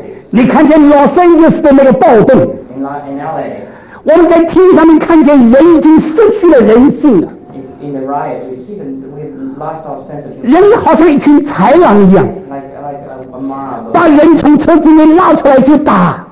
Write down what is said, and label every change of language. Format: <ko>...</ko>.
<zh>你看见 Los Angeles 的那个暴动。</zh> <en>In LA,</en> <zh>我们在天上面看见人已经失去了人性了。</zh> <en>In the riot, we see that we lost our sense of humanity.</en> <zh>人好像一群豺狼一样。</zh> <en>Like a mob.</en> <zh>把人从车子里面拉出来就打。</zh>